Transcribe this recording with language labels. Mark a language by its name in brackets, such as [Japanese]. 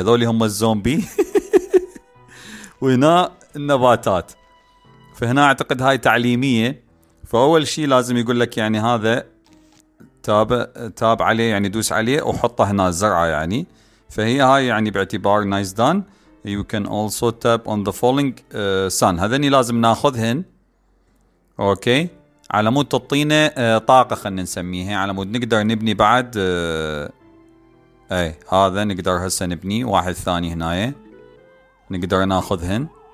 [Arabic] هذول هم الزومبي وهنا النباتات. فهنا اعتقد هاي تعليمية. فاول شيء لازم يقول لك يعني هذا تاب عليه، يعني دوس عليه وحطه هنا زرعة يعني. فهي هاي يعني باعتبار نايس دان. [English] You can also tap on the falling sun. [Arabic] هذني لازم ناخذهن. اوكي، على مود تطينا طاقة، خلنا نسميها على مود نقدر نبني بعد. اي هذا نقدر هسه نبني واحد ثاني هنا نقدر ناخذهن.